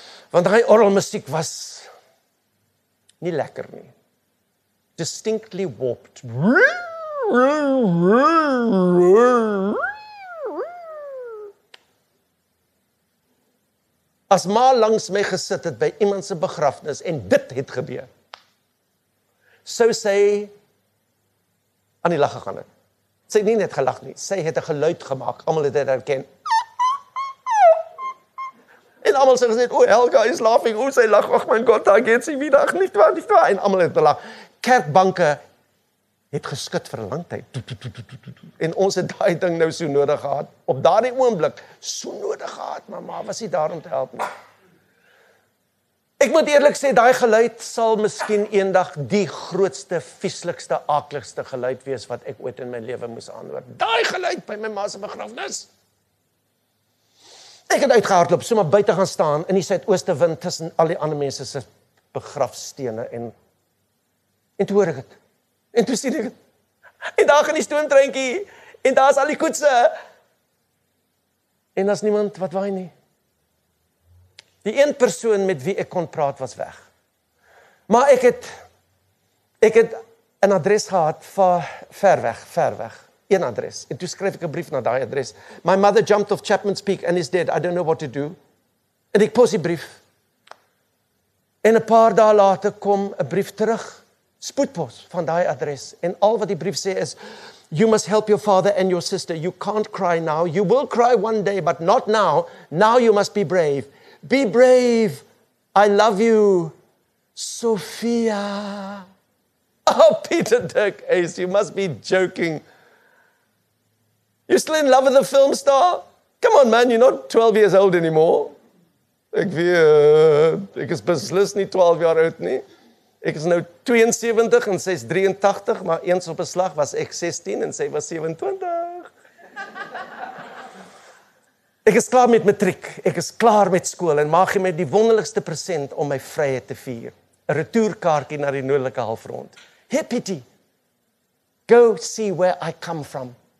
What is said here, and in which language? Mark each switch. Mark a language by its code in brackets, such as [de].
[af] Want die orgelmuziek was niet lekker nie. [en] Distinctly warped. [af] As ma langs my gesit het by iemand se begrafnis en dit het gebeur. Sou sy aan die lag gegaan het. Sy het nie net gelag nie, sy het 'n geluid gemaak. Almal het dit herken. En almal sê gesê, "O, [en] Helga is laughing. [af] O, sy lag. Ag my God, daar gaan sy weer. Ag nie, want dit was 'n almal het gelag." Kerkbanke het geskud vir 'n lang tyd. En ons het daai ding nou so nodig gehad. Op daardie oomblik so nodig gehad, mamma, was jy daar om te help nie? Ek moet eerlik sê, daai geluid sal miskien eendag die grootste, vieslikste, akeligste geluid wees wat ek ooit in my lewe moes aanhoor. Daai geluid by my ma se begrafnis. Ek het uitgehardloop, so maar buite gaan staan in die suidooste wind tussen al die ander mense se begrafstene en toe hoor ek het. En toe sien ek het. En daar gaan die stoomtreintjie en daar is al die koetse. En daar is niemand wat waai nie. Die een persoon met wie ek kon praat was weg. Maar ek het een adres gehad van ver weg. Een adres. En toe skryf ek 'n brief na daai adres. [en] My mother jumped off Chapman's Peak and is dead. I don't know what to do. [af] En ek pos die brief. En 'n paar dae later kom 'n brief terug. Spoedpos van daai adres. En al wat die brief sê is, [en] you must help your father and your sister. You can't cry now. You will cry one day, but not now. Now you must be brave. Be brave. I love you. Sophia. Oh, Peter Dirk Ace, you must be joking. You're still in love with the film star? Come on, man, you're not 12 years old anymore. [af] Ek is beslis nie 12 jaar oud nie. Ek is nou 72 en sy is 83, maar eens op 'n slag was ek 16 en sy was 27. Ek is klaar met matriek, ek is klaar met skool en mag jy my die wonderlikste present om my vryheid te vier. 'N retourkaartjie na die noordelike halfrond. [en] Hippity, go see where I come from.